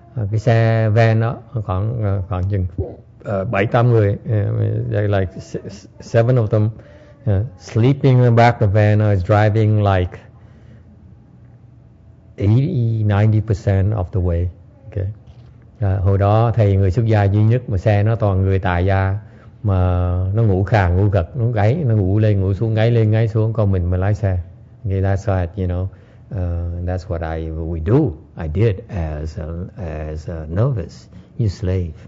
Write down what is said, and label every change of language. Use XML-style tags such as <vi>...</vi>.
<vi>Cái xe van đó khoảng chừng 7-8 người,</vi> <en>like 7 of them. Sleeping in the back of the van, I was driving like 80-90% of the way. Okay.</en> <vi>Hồi đó thầy người xuất gia duy nhất mà xe nó toàn người tại gia, mà nó ngủ khà ngủ gật, nó gáy, nó ngủ lên ngủ xuống, gáy lên gáy xuống, còn mình mà lái xe.</vi> <en>Okay, that's what you know. That's what I did as a novice, you slave.</en>